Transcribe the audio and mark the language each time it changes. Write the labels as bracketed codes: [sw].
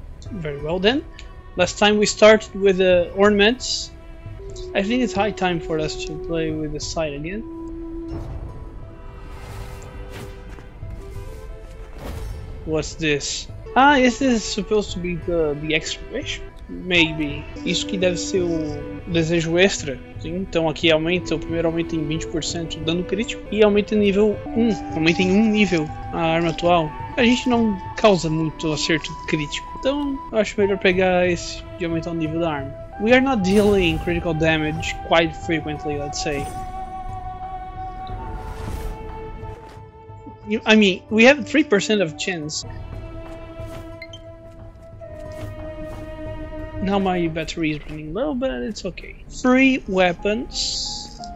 [en] Very well then. Last time we started with the ornaments. I think it's high time for us to play with the site again. What's this? Ah, is this supposed to be the extra wish? [pt] Maybe. Isso que deve ser o desejo extra. Sim, então aqui aumenta, o primeiro aumenta em 20% o dano crítico e aumenta em nível 1. Aumenta em 1 nível a arma atual. A gente não causa muito acerto crítico. Então eu acho melhor pegar esse de aumentar o nível da arma. [en] We are not dealing critical damage quite frequently, let's say. I mean, we have 3% of chance. Now my battery is running low, but it's okay. 3 weapons.